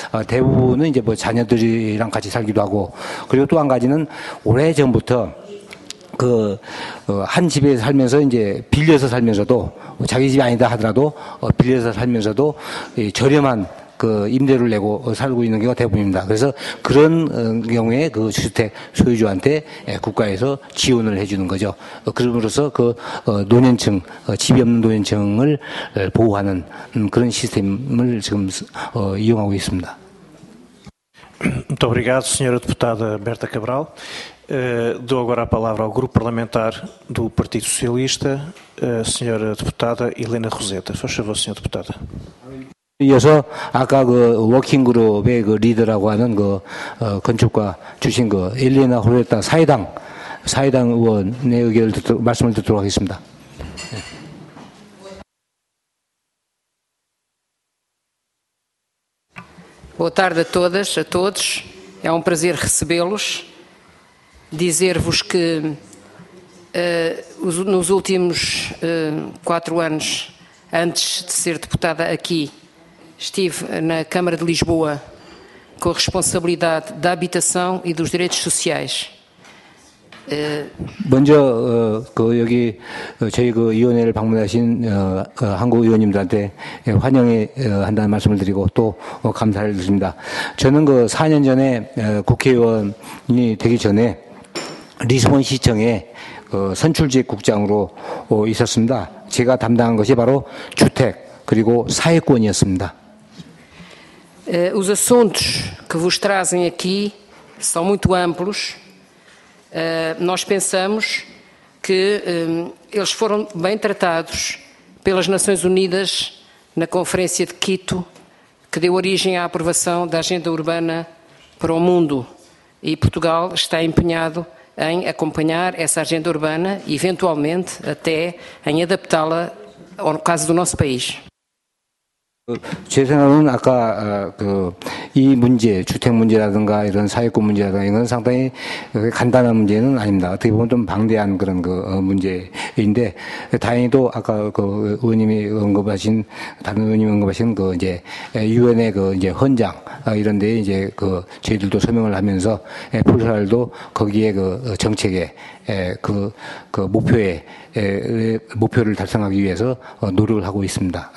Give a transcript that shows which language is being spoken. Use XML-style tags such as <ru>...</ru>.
<ko>대부분은 이제 뭐 자녀들이랑 같이 살기도 하고 그리고 또 한 가지는 오래 전부터 그 한 집에 살면서 이제 빌려서 살면서도 자기 집이 아니다 하더라도 빌려서 살면서도 이 저렴한 그 임대료를 내고 살고 있는 경우가 대부분입니다. 그래서 그런 경우에 그 주택 소유주한테 국가에서 지원을 해주는 거죠. 그럼으로써 그 노년층 집이 없는 노년층을 보호하는 그런 시스템을 지금 이용하고 있습니다.</ko> <pt>Muito obrigado, senhora deputada Berta Cabral. Dou agora a palavra ao Grupo Parlamentar do Partido Socialista, senhora deputada Helena Roseta. Faz favor, senhora deputada.</pt> <ko>이어서 아까 그 워킹그룹의 그 리더라고 하는 그 건축가 주신 그 일리나 호레타 사회당 의원의 의견을 말씀을 듣도록 하겠습니다. 네.</ko> <pt>Boa tarde a todas, a todos. É um prazer recebê-los. Dizer-vos que nos últimos quatro anos, antes de ser deputada aqui, estive na Câmara de Lisboa com a responsabilidade da habitação e dos direitos sociais.</pt> <ko>먼저 여기 저희 그 위원회를 방문하신 한국 의원님들한테 환영해 한다는 말씀을 드리고 또 감사를 드립니다. 저는 그 4년 전에 국회의원이 되기 전에 리스본 시청에 선출직 국장으로 있었습니다. 제가 담당한 것이 바로 주택 그리고 사회권이었습니다.</ko> <pt>Os assuntos que vos trazem aqui são muito amplos. Nós pensamos que eles foram bem tratados pelas Nações Unidas na Conferência de Quito, que deu origem à aprovação da Agenda Urbana para o Mundo. E Portugal está empenhado em acompanhar essa Agenda Urbana e, eventualmente, até em adaptá-la ao caso do nosso país.</pt> <ko>제 생각은 아까 이 문제, 주택 문제라든가 이런 사회권 문제라든가 이건 상당히 간단한 문제는 아닙니다. 어떻게 보면 좀 방대한 그런 그 문제인데 다행히도 아까 그 의원님이 언급하신 다른 의원님이 언급하신 그 이제 유엔의 그 이제 헌장 이런 데 이제 그 저희들도 서명을 하면서 폴란드도 거기에 그 정책에 그 목표에 목표를 달성하기 위해서 노력을 하고 있습니다.</ko>